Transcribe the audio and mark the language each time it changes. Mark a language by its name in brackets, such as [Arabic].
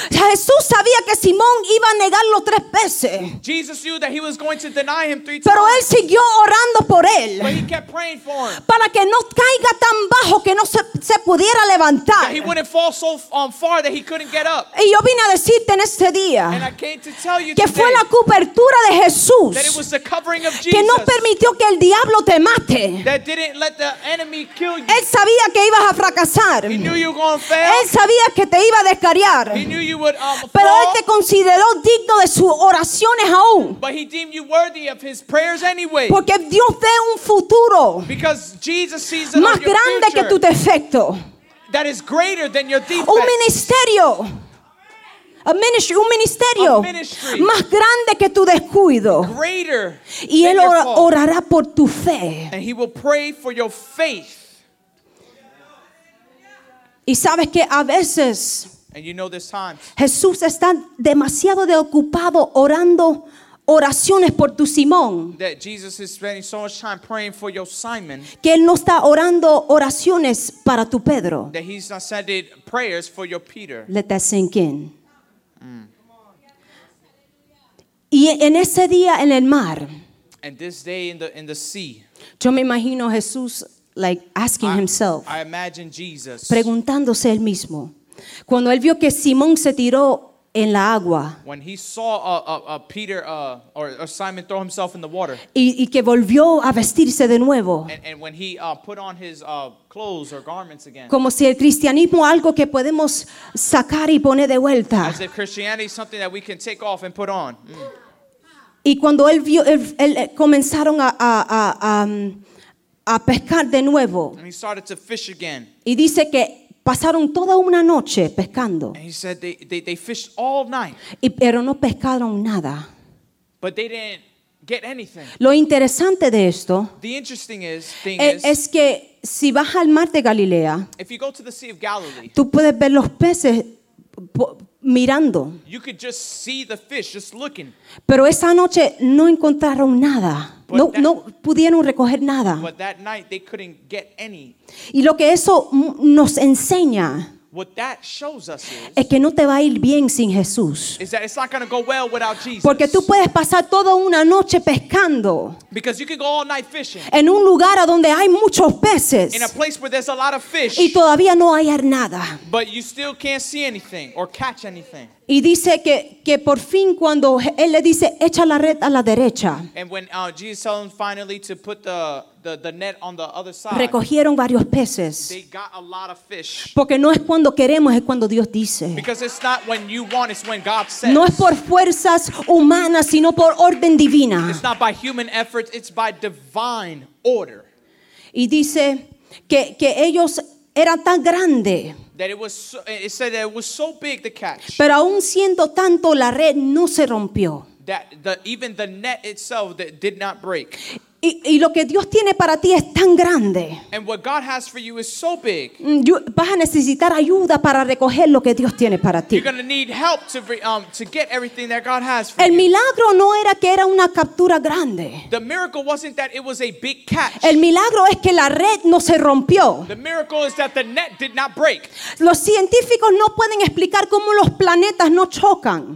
[Spanish] Jesús sabía que Simón iba a negarlo tres veces. [English] Jesus knew that he was going to deny him three [Spanish] pero [English] times. [Spanish] Él siguió orando por él. [English] But he kept praying for him. [Spanish] Para que no caiga tan bajo que no se pudiera levantar. [English] That he wouldn't fall so far that he couldn't get up. [Spanish] Y yo vine a decirte en este día [English] and I came to tell you [Spanish] que [English] today, [Spanish] fue la cobertura de Jesús. [English] That it was the covering of Jesus. [Spanish] Que no permitió que el diablo te mate. [English] That didn't let the enemy kill you. [Spanish] Él sabía que ibas a fracasar. [English] He knew you were going to fail. [Spanish] Él sabía que te iba a descarriar. [English] He knew you would, [Spanish] pero él te consideró digno de sus oraciones aún. [English] But he deemed you worthy of his prayers anyway. [Spanish] Porque Dios ve un futuro [English] because Jesus sees [Spanish] más grande [English] future, [Spanish] que tu defecto. [English] That is greater than your defect. [Spanish] Un ministerio. [English] A ministry, [Spanish] un ministerio [English] a ministry [Spanish] más grande que tu descuido. [English] Greater [Spanish] y él [English] than your [Spanish] orará por tu fe. [English] And he will pray for your faith. [Spanish] Y sabes que a veces [English] and you know this time, [Spanish] Jesús está demasiado de ocupado orando oraciones por tu Simón. [English] That Jesus is spending so much time praying for your Simon. [Spanish] Que él no está orando oraciones para tu Pedro. [English] That he's not sending prayers for your Peter. Let that sink in. [Spanish] Y en ese día en el mar, [English] and this day in the sea, [Spanish] yo me imagino Jesús [English] like asking himself, I imagine Jesus, [Spanish] preguntándose él mismo, cuando él vio que Simón se tiró en la agua, [English] when he saw Peter or Simon throw himself in the water, [Spanish] y que volvió a vestirse de nuevo, [English] and when he put on his clothes or garments again, [Spanish] como si el cristianismo algo que podemos sacar y poner de vuelta, [English] as if Christianity is something that we can take off and put on. Mm. [Spanish] Y cuando él vio, él comenzaron a pescar de nuevo, [English] and he started to fish again. [Spanish] Y dice que pasaron toda una noche pescando. [English] And he said they fished all night. [Spanish] Y, pero no pescaron nada. [English] But they didn't get anything. [Spanish] Lo interesante de esto, [English] the interesting thing [Spanish] es que si vas al mar de Galilea, [English] if you go to the Sea of Galilee, [Spanish] tú puedes ver los peces mirando. [English] You could just see the fish just looking. [Spanish] Pero esa noche no encontraron nada. [English] But [Spanish] no, that, no pudieron recoger nada. [English] But that night they couldn't get any. [Spanish] Y lo que eso nos enseña, [English] what that shows us is, [Spanish] es que no te va a ir bien sin Jesús. [English] Is that it's not going to go well without Jesus. [Spanish] Porque tú puedes pasar toda una noche pescando. [English] Because you can go all night fishing. [Spanish] En un lugar a donde hay muchos peces. [English] In a place where there's a lot of fish. [Spanish] Y todavía no hallar nada. [English] But you still can't see anything or catch anything. [Spanish] Y dice que por fin cuando él le dice echa la red a la derecha. [English] And when Jesus tells him finally to put the net on the other side. [Spanish] Recogieron varios peces. [English] They got a lot of fish. [Spanish] Porque no es cuando queremos, es cuando Dios dice. [English] Because it's not when you want, it's when God says. [Spanish] No es por fuerzas humanas, sino por orden divina. [English] It's not by human effort, it's by divine order. [Spanish] Y dice que ellos eran tan grande. [English] That it was so, it said that it was so big to catch. [Spanish] Pero aún siendo tanto, la red no se rompió. [English] That even the net itself that did not break. [Spanish] Y lo que Dios tiene para ti es tan grande. [English] And what God has for you is so big. [Spanish] You, vas a necesitar ayuda para recoger lo que Dios tiene para ti. [English] You're going to need help to get everything that God has for [Spanish] El [English] you. [Spanish] Milagro no era que era una captura grande. [English] The miracle wasn't that it was a big catch. [Spanish] El milagro es que la red no se rompió. [English] The miracle is that the net did not break. [Spanish] Los científicos no pueden explicar cómo los planetas no chocan.